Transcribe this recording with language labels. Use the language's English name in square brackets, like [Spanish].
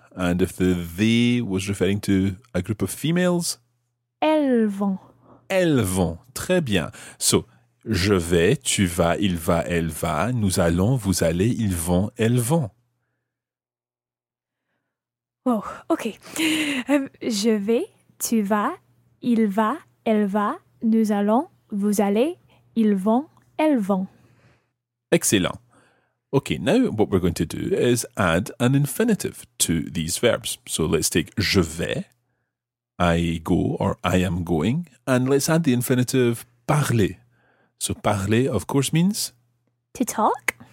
[English] And if the they was referring to a group of females? [French] Elles vont. Elles vont. Très bien. So, je vais, tu vas, il va, elle va, nous allons, vous allez, ils vont, elles vont. [English] Oh, ok. [French] Je vais, tu vas, il va, elle va, nous allons, vous allez, ils vont, elles vont. [English] Excellent. Okay, now what we're going to do is add an infinitive to these verbs. So let's take [French] je vais, [English] I go or I am going, and let's add the infinitive parler. So parler, of course, means? To talk.